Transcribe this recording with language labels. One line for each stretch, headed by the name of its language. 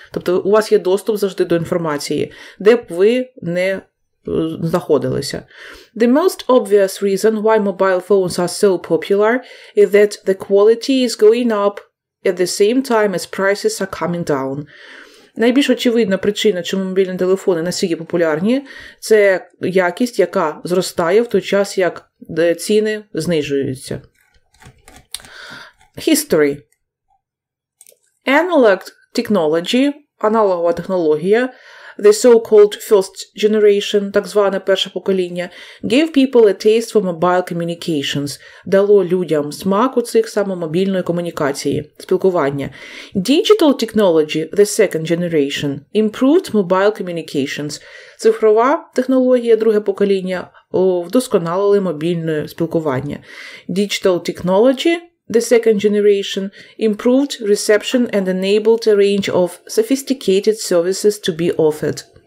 Ukrainian: Тобто у вас є доступ завжди до інформації, де б ви не знаходилися.
English: The most obvious reason why mobile phones are so popular is that the quality is going up at the same time as prices are coming down.
Ukrainian: Найбільш очевидна причина, чому мобільні телефони настільки популярні, це якість, яка зростає в той час, як ціни знижуються.
English: History. Analog technology,
Ukrainian: аналогова технологія,
English: the so-called first generation,
Ukrainian: так зване перше покоління,
English: gave people a taste for mobile communications,
Ukrainian: дало людям смак у цих самомобільної комунікації, спілкування.
English: Digital technology, the second generation, improved mobile communications.
Ukrainian: Цифрова технологія, друге покоління, вдосконалили мобільне спілкування.
English: Digital technology, the second generation, improved reception and enabled a range of sophisticated services to be offered.